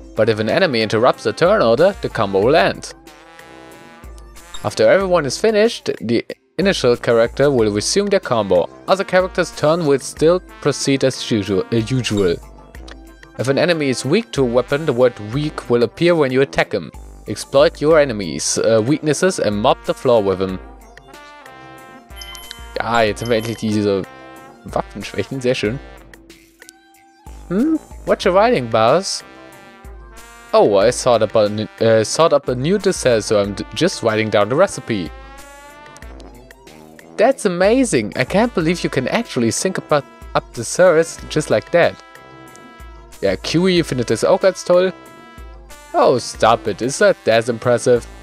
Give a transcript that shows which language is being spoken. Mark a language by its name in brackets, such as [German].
[English] But if an enemy interrupts the turn order, the combo will end. After everyone is finished, the initial character will resume their combo. Other characters' turn will still proceed as usual. If an enemy is weak to a weapon, the word weak will appear when you attack him. Exploit your enemy's weaknesses and mop the floor with him. [German] Ja, jetzt haben wir endlich diese Waffenschwächen, sehr schön. [English] What's your riding, boss? Oh, I sought up a new dessert, so I'm just writing down the recipe. That's amazing! I can't believe you can actually think about up desserts just like that. Yeah, [German] Kiwi findet das auch ganz toll. [English] Oh, stop it, is that that impressive?